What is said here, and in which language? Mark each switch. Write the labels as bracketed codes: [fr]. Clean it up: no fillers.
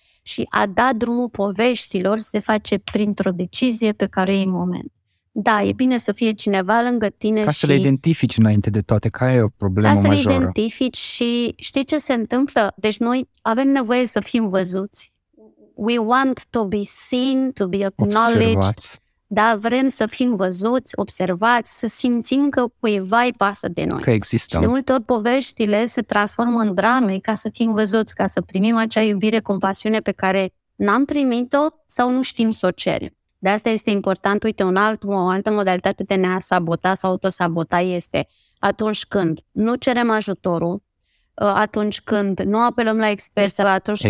[ro] Și a da drumul poveștilor se face printr-o decizie pe care e în moment. Da, e bine să fie cineva lângă tine ca și... Ca să le identifici înainte de toate, care e o problemă majoră. Ca să majoră. Le identifici și știi ce se întâmplă? Deci noi avem nevoie să fim văzuți. [en] We want to be seen, to be acknowledged. [ro] Observați. Da, vrem să fim văzuți, observați, să simțim că cuiva îi pasă de noi. Că există. Și de multe ori poveștile se transformă în drame ca să fim văzuți, ca să primim acea iubire, compasiune pe care n-am primit-o sau nu știm să o cerem. De asta este important, uite, o altă modalitate de ne-a sabota sau autosabota este atunci când nu cerem ajutorul, atunci când nu apelăm la experți, atunci